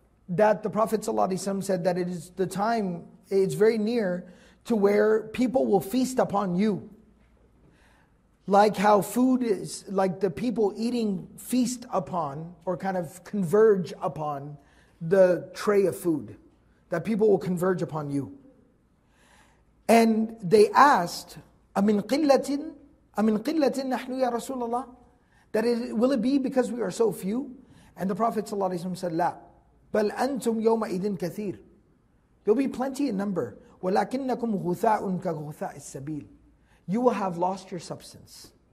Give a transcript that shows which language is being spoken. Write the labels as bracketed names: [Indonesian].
[English] That the Prophet ﷺ said that it is the time, it's very near to where people will feast upon you. Like how food is, like the people eating feast upon or kind of converge upon the tray of food. That people will converge upon you. [Arabic] And they asked, أَمِنْ قِلَّةٍ نَحْنُ يَا رَسُولَ اللَّهِ. [English] That is, will it be because we are so few? And the Prophet ﷺ said, لَا. [Arabic] بَلْ أَنْتُمْ يَوْمَئِذٍ كَثِيرٌ. [English] There'll be plenty in number. [Arabic] وَلَكِنَّكُمْ غُثَاءٌ كَغُثَاءِ السَّبِيلِ. [English] You will have lost your substance.